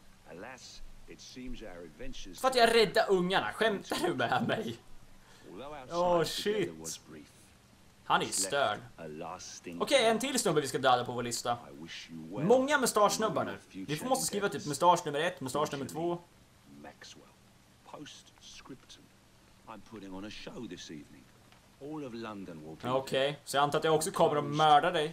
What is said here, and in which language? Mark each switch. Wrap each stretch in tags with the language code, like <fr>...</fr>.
<en>Alas, it seems our adventures...</en> <sv>För att jag rädda ungarna. Skämtar du med mig?</sv> <en>Oh shit.</en> <sv>Han är störd. Okej, en till snubbe vi ska döda på vår lista. Många mustaschnubbar nu. Vi måste skriva typ mustasch nummer 1, mustasch nummer 2.</sv> <en>Maxwell. Post scriptum. I'm putting on a show this evening. All of London will be.</en> <sv>Okej, så jag antar att jag också kommer att mörda dig.</sv>